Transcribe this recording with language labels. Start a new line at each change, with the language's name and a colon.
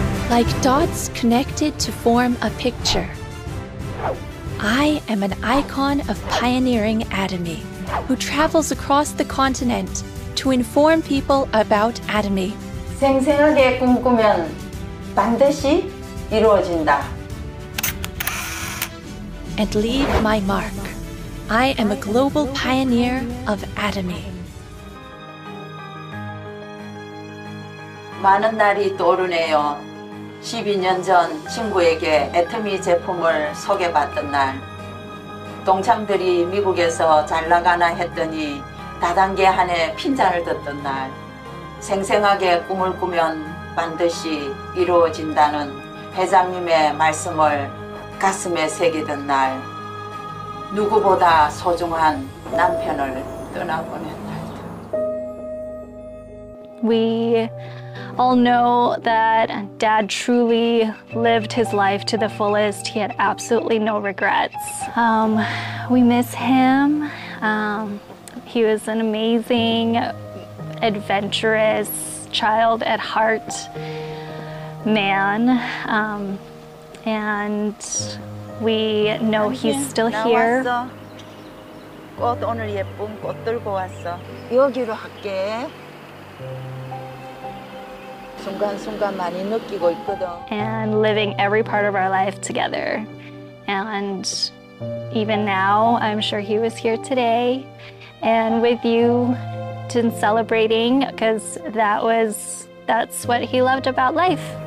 English: like dots connected to form a picture. I am an icon of pioneering atomy who travels across the continent to inform people about atomy.
Korean: 생생하게 꿈꾸면 반드시 이루어진다.
English: And leave my mark. I am a global pioneer of atomy.
Korean: 많은 날이 떠오르네요. 12년 전 친구에게 애터미 제품을 소개받던 날, 동창들이 미국에서 잘 나가나 했더니 다단계 한 해 핀잔을 듣던 날, 생생하게 꿈을 꾸면 반드시 이루어진다는 회장님의 말씀을 가슴에 새기던 날, 누구보다 소중한 남편을 떠나보낸 날들.
English: All know that Dad truly lived his life to the fullest. He had absolutely no regrets. We miss him. He was an amazing, adventurous child at heart man. And we know he's still here.
Korean: 꽃 오늘 예쁜 꽃 들고 왔어. 여기로 할게. 순간순간 많이 느끼고 있거든.
English: And living every part of our life together. And even now, I'm sure he was here today and with you and celebrating because that's what he loved about life.